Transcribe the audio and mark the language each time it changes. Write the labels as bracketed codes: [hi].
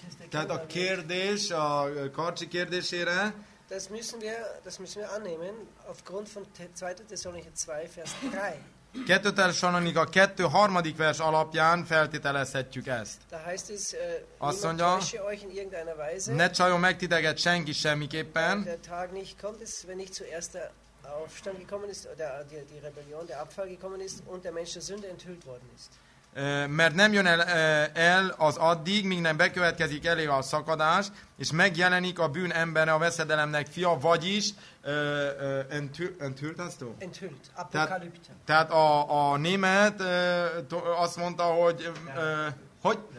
[hu] Tehát a kérdés, a karcsi kérdésére. [de] Das müssen wir annehmen aufgrund von 2. Thessalonicher 2 Vers 3. 2. [hu] Thessalonicher 2 harmadik vers alapján feltételezhetjük ezt. [de] Da heißt es, [hu] azt mondja, [de] euch in irgendeiner Weise, [hu] ne csaljon meg titeket senki semmiképpen. [de] Der Tag nicht kommt, ist, wenn ich zuerst der Aufstand gekommen ist oder die Rebellion, der Abfall gekommen ist und der Mensch der Sünde enthüllt worden ist. [hu] Mert nem jön el az addig, míg nem bekövetkezik elé a szakadás, és megjelenik a bűn embere, a veszedelemnek fia, vagyis enthüllt, azt mondta? [de] Enthüllt, apokalipta. [hu] Tehát a német azt mondta, hogy hogy?